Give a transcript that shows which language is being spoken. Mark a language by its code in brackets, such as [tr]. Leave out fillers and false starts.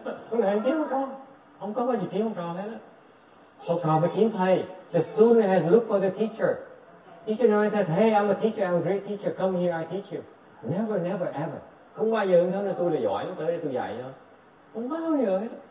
[vi] Ông thầy kiếm học trò. Không có bao giờ kiếm học trò hết. Học trò phải kiếm thầy. [en] The student has looked for the teacher. Teacher never says, hey, I'm a teacher, I'm a great teacher. Come here, I teach you. Never, never, ever. [vi] Không bao giờ ông thầy nói tôi là giỏi, tôi tới đây tôi dạy cho. Không bao giờ hết.